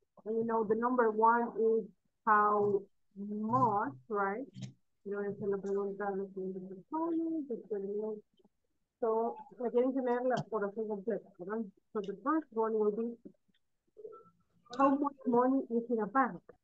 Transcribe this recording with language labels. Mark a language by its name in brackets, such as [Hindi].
[English] And you know, the number one is how much, right? [Spanish] Yo esa es la pregunta de las personas, so, me quieren tener la oración completa, ¿verdad? [English] So the first one will be, how much money is in a bank?